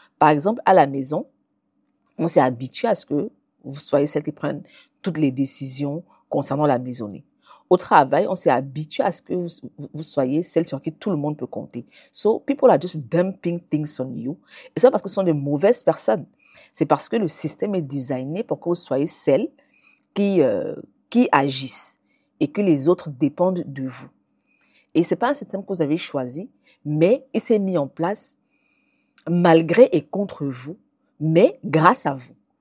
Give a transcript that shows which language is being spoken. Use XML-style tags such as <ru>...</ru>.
<fr>Par exemple, à la maison, on s'est habitué à ce que vous soyez celle qui prenne toutes les décisions concernant la maisonnée. au travail, on s'est habitué à ce que vous soyez celle sur qui tout le monde peut compter.</fr> <en>So, people are just dumping things on you.</en> <fr>Et ça, parce que ce sont de mauvaises personnes. C'est parce que le système est designé pour que vous soyez celle qui agisse et que les autres dépendent de vous. Et ce n'est pas un système que vous avez choisi, mais il s'est mis en place malgré et contre vous, mais grâce à vous.</fr>